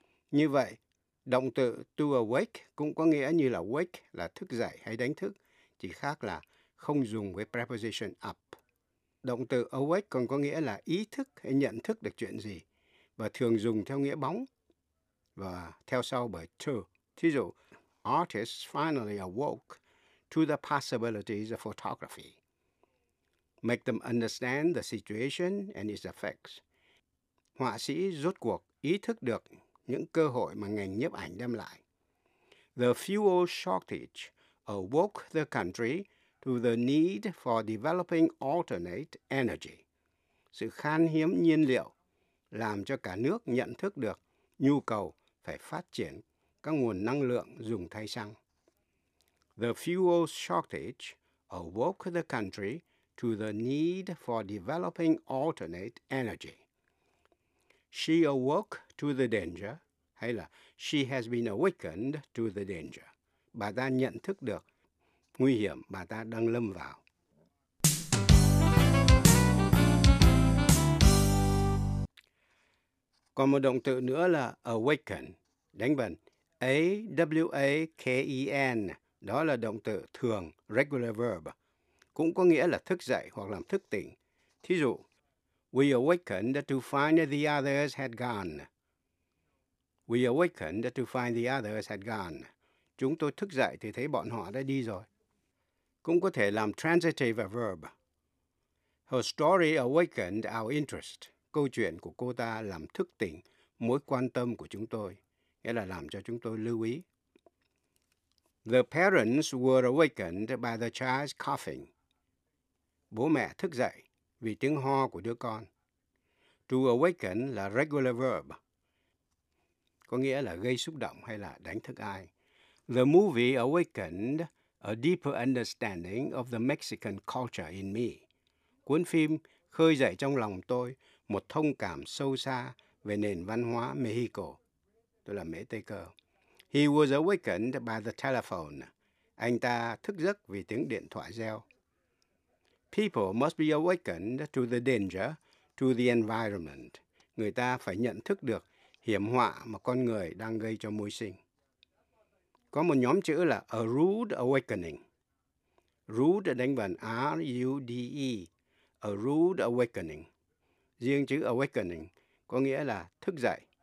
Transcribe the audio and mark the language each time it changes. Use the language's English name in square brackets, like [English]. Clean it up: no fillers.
[Vietnamese] Như vậy, động từ to awake cũng có nghĩa như là wake là thức dậy hay đánh thức, chỉ khác là không dùng với preposition up. Động từ awake còn có nghĩa là ý thức hay nhận thức được chuyện gì và thường dùng theo nghĩa bóng và theo sau bởi to. Thí dụ, [English] artists finally awoke to the possibilities of photography. Make them understand the situation and its effects. [Vietnamese] Họa sĩ rốt cuộc ý thức được những cơ hội mà ngành nhiếp ảnh đem lại. [English] The fuel shortage awoke the country to the need for developing alternate energy. [Vietnamese] Sự khan hiếm nhiên liệu làm cho cả nước nhận thức được nhu cầu phải phát triển các nguồn năng lượng dùng thay xăng. [English] The fuel shortage awoke the country to the need for developing alternate energy. She awoke to the danger, [Vietnamese] hay là [English] she has been awakened to the danger. [Vietnamese] Bà ta nhận thức được nguy hiểm bà ta đang lâm vào. Còn một động từ nữa là awaken, đánh bần, A-W-A-K-E-N, đó là động từ thường, regular verb, cũng có nghĩa là thức dậy hoặc làm thức tỉnh. Thí dụ, [English] we awakened to find the others had gone. We awakened to find the others had gone. [Vietnamese] Chúng tôi thức dậy thì thấy bọn họ đã đi rồi. Cũng có thể làm transitive verb. [English] Her story awakened our interest. [Vietnamese] Câu chuyện của cô ta làm thức tỉnh mối quan tâm của chúng tôi, nghĩa là làm cho chúng tôi lưu ý. [English] The parents were awakened by the child's coughing. [Vietnamese] Bố mẹ thức dậy vì tiếng ho của đứa con. To awaken là regular verb, có nghĩa là gây xúc động hay là đánh thức ai. [English] The movie awakened a deeper understanding of the Mexican culture in me. [Vietnamese] Cuốn phim khơi dậy trong lòng tôi một thông cảm sâu xa về nền văn hóa Mexico. Tôi là Mễ Tây Cơ. [English] He was awakened by the telephone. [Vietnamese] Anh ta thức giấc vì tiếng điện thoại reo. [English] People must be awakened to the danger to the environment. [Vietnamese] Người ta phải nhận thức được hiểm họa mà con người đang gây cho môi sinh. Có một nhóm chữ là a rude awakening. Rude đánh vần R-U-D-E. [English] A rude awakening. [Vietnamese] Riêng chữ awakening có nghĩa là thức dậy.